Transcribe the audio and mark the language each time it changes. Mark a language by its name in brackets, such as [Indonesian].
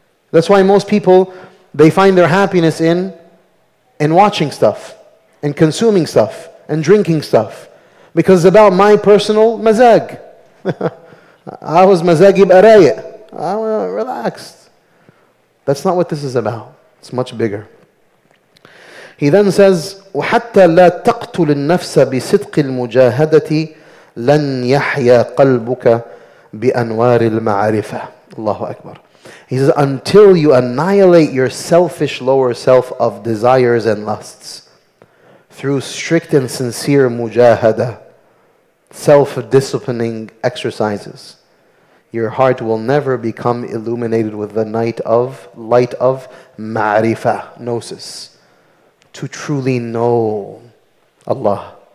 [English] That's why most people, they find their happiness in and watching stuff, and consuming stuff, and drinking stuff. Because it's about my personal mazag. I was [Arabic] mazagi b'arayi. [English] I was relaxed. That's not what this is about. It's much bigger. He then says, [Arabic] وَحَتَّى لَا تَقْتُلِ النَّفْسَ بِصِدْقِ الْمُجَاهَدَةِ لَنْ يَحْيَى قَلْبُكَ بِأَنْوَارِ الْمَعْرِفَةِ. Allahu Akbar. [English] He says, until you annihilate your selfish lower self of desires and lusts through strict and sincere mujahada, self-disciplining exercises, your heart will never become illuminated with the light of ma'rifah, gnosis, to truly know Allah.